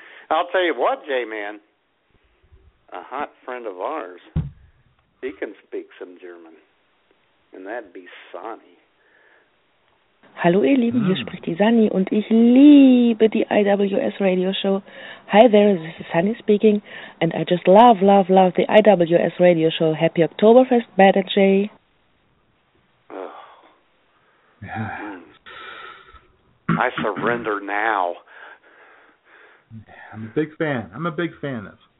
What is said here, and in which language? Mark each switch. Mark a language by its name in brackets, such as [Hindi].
[English] I'll tell you what, J-Man, a hot friend of ours, he can speak some German. And that'd be Sonny. [German] Hallo ihr Lieben, hier spricht die Sunny und ich liebe die IWS Radio Show. [English] Hi there, this is Sunny speaking and I just love, love, love the IWS Radio Show. Happy Oktoberfest, Matt and Jay. Yeah. I surrender now. I'm a big fan. I'm a big fan of.